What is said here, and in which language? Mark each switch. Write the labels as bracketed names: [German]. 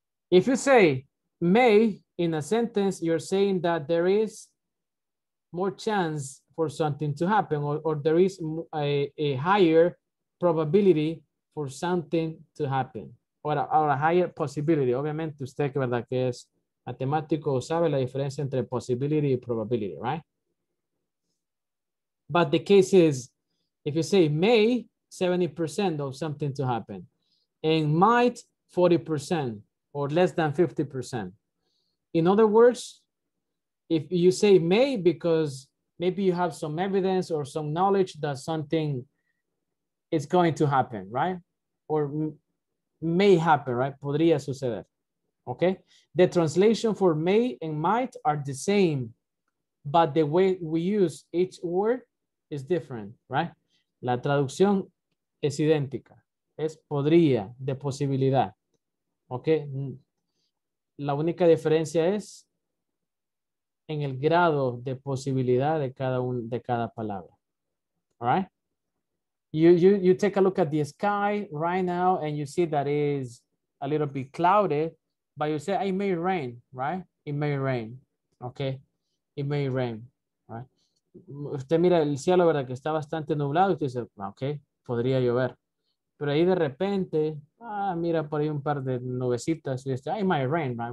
[English] If you say may in a sentence, you're saying that there is more chance for something to happen or there is a higher probability for something to happen, or a higher possibility. [Spanish] Obviamente usted, ¿verdad?, que es matemático, sabe la diferencia entre possibility y probability, right? [English] But the case is, if you say may, 70% of something to happen, and might, 40%, or less than 50%. In other words, if you say may, because maybe you have some evidence or some knowledge that something is going to happen, right? Or may happen, right? [Spanish] Podría suceder, [English] okay? The translation for may and might are the same, but the way we use each word is different, right? [Spanish] La traducción es idéntica. Es podría, de posibilidad, okay? La única diferencia es en el grado de posibilidad de cada palabra, [English] all right? You take a look at the sky right now and you see that is a little bit clouded, but you say it may rain, right? It may rain, okay? It may rain, right? [Spanish] Usted mira el cielo, ¿verdad?, que está bastante nublado, usted dice, okay, podría llover. Pero ahí de repente, mira por ahí un par de nubecitas, y dice, [English] it may rain, right?